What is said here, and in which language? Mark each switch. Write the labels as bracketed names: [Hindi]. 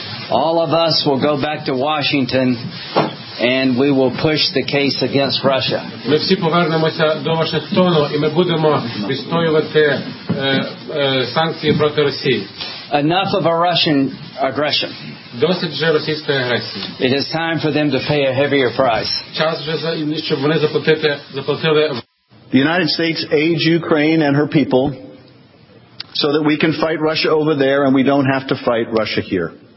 [English] All of us will go back to Washington, and we will push the case against Russia. [Ukrainian] Ми всі повернемося до Вашингтону, і ми будемо відстоювати санкції проти Росії. [English] Enough of a Russian aggression. [Ukrainian] Досить вже російської агресії. [English] It is time for them to pay a heavier price. [Ukrainian] Час вже за щоб вони заплатили. [English] The United States aids Ukraine and her people so that we can fight Russia over there and we don't have to fight Russia here.